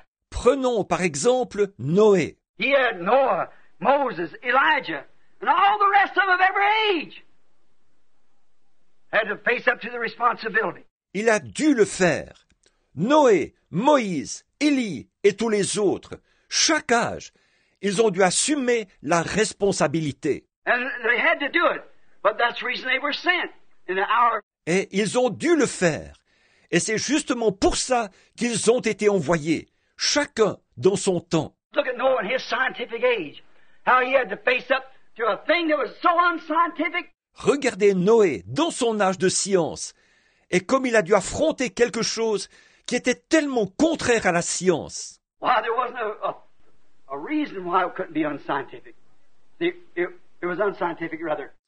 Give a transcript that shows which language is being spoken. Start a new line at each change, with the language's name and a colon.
French: Prenons par exemple Noé.
English: He had Noah, Moses, Elijah, and all the rest of every age. Had to face up to the responsibility.
French: Il a dû le faire. Noé, Moïse, Élie et tous les autres, chaque âge, ils ont dû assumer la responsabilité.
English: And they had to do it, but that's the reason they were sent.
French: Et ils ont dû le faire. Et c'est justement pour ça qu'ils ont été envoyés, chacun dans son temps.
English: Look at Noah in his scientific age, how he had to face up to a thing that was so unscientific.
French: Regardez Noé dans son âge de science et comme il a dû affronter quelque chose qui était tellement contraire à la science.
English: Why, there wasn't a reason why it couldn't be unscientific. It was unscientific rather.